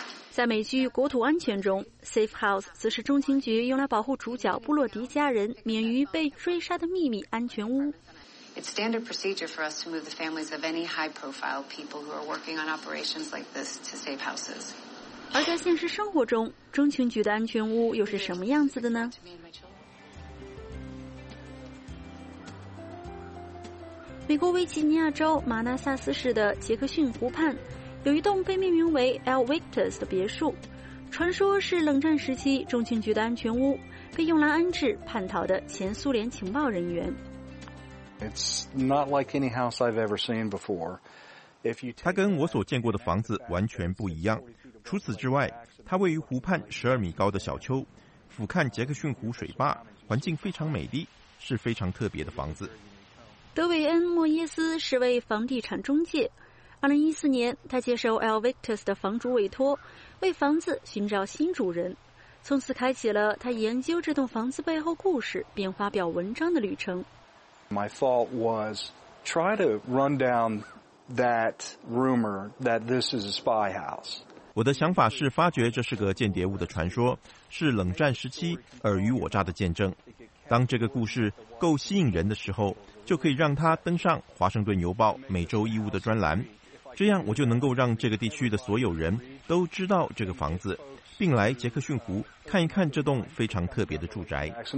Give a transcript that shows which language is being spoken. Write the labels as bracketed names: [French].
[Chinese] 在美剧《国土安全》中 ，Safe House 则是中情局用来保护主角布洛迪家人免于被追杀的秘密安全屋。 [English] It's standard procedure for us to move the families of any high-profile people who are working on operations like this to safe houses. [Chinese] 而在现实生活中，中情局的安全屋又是什么样子的呢？美国维吉尼亚州马纳萨斯市的杰克逊湖畔有一栋被命名为 El Victus 的别墅，传说是冷战时期中情局的安全屋，被用来安置叛逃的前苏联情报人员。 [English] It's not like any house I've ever seen before. [Chinese] 它跟我所见过的房子完全不一样。除此之外，它位于湖畔12米高的小丘，俯瞰杰克逊湖水坝，环境非常美丽，是非常特别的房子。德韦恩·莫耶斯是位房地产中介。2014年，他接受 El Victus 的房主委托，为房子寻找新主人，从此开启了他研究这栋房子背后故事并发表文章的旅程。 [English] My thought was try to run down that rumor that this is a spy house. [Chinese] 我的想法是发掘这是个间谍屋的传说，是冷战时期尔虞我诈的见证。当这个故事够吸引人的时候，就可以让它登上《华盛顿邮报》每周一屋的专栏，这样我就能够让这个地区的所有人都知道这个房子，并来杰克逊湖看一看这栋非常特别的住宅。